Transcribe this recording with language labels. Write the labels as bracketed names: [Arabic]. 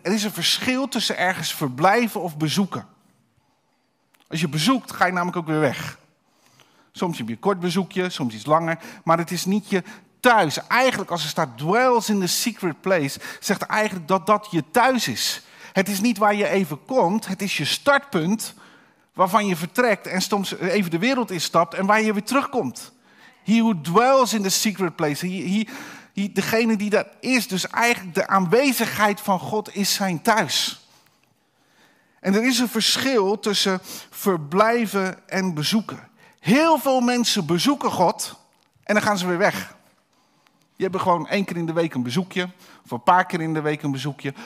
[Dutch] Er is een verschil tussen ergens verblijven of bezoeken. Als je bezoekt, ga je namelijk ook weer weg. Soms heb je een kort bezoekje, soms iets langer. Maar het is niet je thuis. Eigenlijk, als er staat [English] dwells in the secret place, [Dutch] zegt eigenlijk dat dat je thuis is. Het is niet waar je even komt, het is je startpunt waarvan je vertrekt en soms even de wereld instapt en waar je weer terugkomt. [English] He who dwells in the secret place. [Dutch] Degene die dat is, dus eigenlijk de aanwezigheid van God is zijn thuis. En er is een verschil tussen verblijven en bezoeken. Heel veel mensen bezoeken God en dan gaan ze weer weg. Die hebben gewoon één keer in de week een bezoekje. Of een paar keer in de week een bezoekje.